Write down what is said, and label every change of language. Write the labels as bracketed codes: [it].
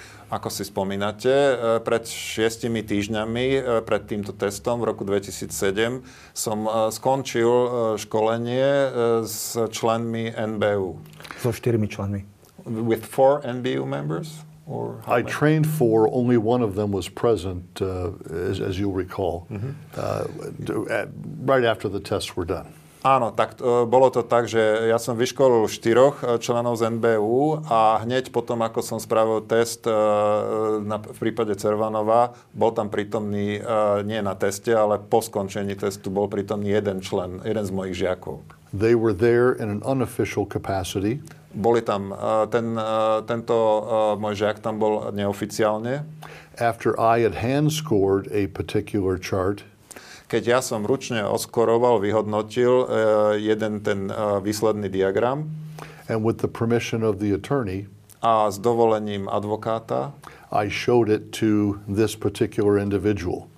[sk] Ako si spomínate, pred 6 týždňami, pred týmto testom v roku 2007, som skončil školenie s členmi NBU. So 4 členmi. [en] With four NBU members? I trained four. Only one of them was present, as you'll recall, right after the tests were done. [sk] Áno, tak bolo to tak, že ja som vyškolil štyroch členov z NBU a hneď potom, ako som spravil test v prípade Cervanova, bol tam prítomný, nie na teste, ale po skončení testu bol prítomný jeden člen, jeden z mojich žiakov. [en] They were there in an unofficial capacity. [sk] Boli tam tento môj žiak tam bol neoficiálne. [en] After I had hand scored a particular chart. [sk] Keď ja som ručne oskoroval, vyhodnotil jeden ten výsledný diagram. [en] And with the permission of the attorney. [sk] A s dovolením advokáta. [en] I showed it to this particular individual.